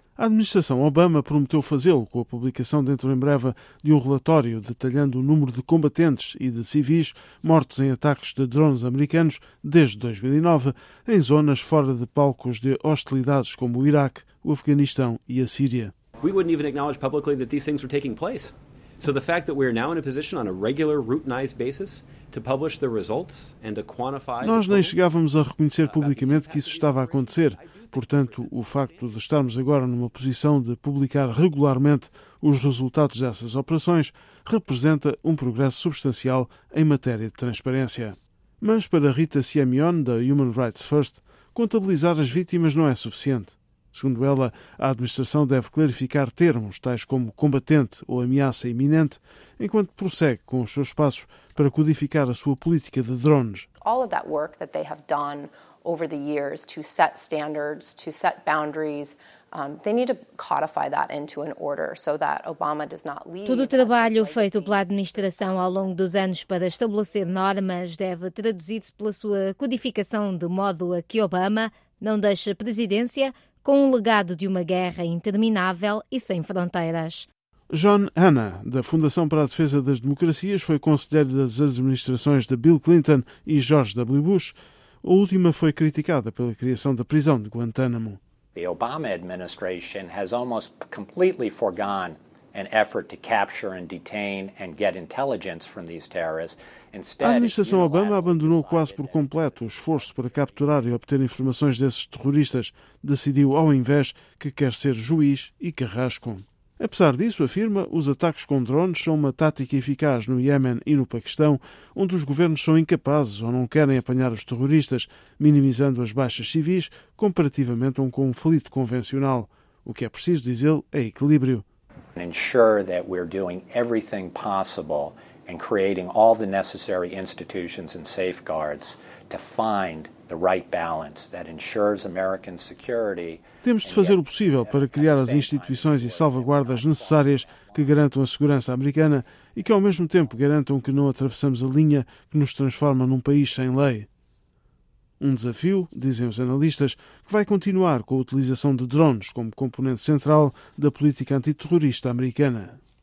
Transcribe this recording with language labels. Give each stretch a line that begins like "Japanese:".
Portuguese: A administração Obama prometeu fazê-lo com a publicação dentro em breve de um relatório detalhando o número de combatentes e de civis mortos em ataques de drones americanos desde 2009 em zonas fora de palcos de hostilidades como o Iraque, o Afeganistão e a Síria.
English: We wouldn't even acknowledge publicly that these things were taking place. So the fact that we are now in a position on a regular routinized basis to publish the results and to quantify.
Portuguese: Nós nem chegávamos a reconhecer publicamente que isso estava a acontecer. Portanto, o facto de estarmos agora numa posição de publicar regularmente os resultados dessas operações representa um progresso substancial em matéria de transparência. Mas para Rita Siamion, da Human Rights First, contabilizar as vítimas não é suficiente. Segundo ela, a administração deve clarificar termos tais como combatente ou ameaça iminente, enquanto prossegue com os seus passos para codificar a sua política de drones.
English: All of that work that they have done over the years to set standards, to set boundaries, they need to codify that into an order so that Obama does not leave.
Portuguese: Todo o trabalho feito pela administração ao longo dos anos para estabelecer normas deve traduzir-se pela sua codificação de modo a que Obama não deixe a presidência com um legado de uma guerra interminável e sem fronteiras. John Hanna, da Fundação para a Defesa das Democracias, foi conselheiro das administrações de Bill Clinton e George W. Bush. A última foi criticada pela criação da prisão de Guantánamo.
English: The Obama administration has almost completely foregone an effort to capture and detain and get intelligence from these terrorists.
Portuguese: A administração Obama abandonou quase por completo o esforço para capturar e obter informações desses terroristas. Decidiu, ao invés, que quer ser juiz e carrasco. Apesar disso, afirma, os ataques com drones são uma tática eficaz no Iémen e no Paquistão, onde os governos são incapazes ou não querem apanhar os terroristas, minimizando as baixas civis comparativamente a um conflito convencional. O que é preciso, diz ele, é equilíbrio.
English: Ensure that we're doing everything possible and creating all the necessary institutions and safeguards to find the right balance that ensures American security.
Portuguese: Temos de fazer o possível para criar as instituições e salvaguardas necessárias que garantam a segurança americana e que ao mesmo tempo garantam que não atravessamos a linha que nos transforma num país sem lei. Um desafio, dizem os analistas, que vai continuar com a utilização de drones como componente central da política antiterrorista americana.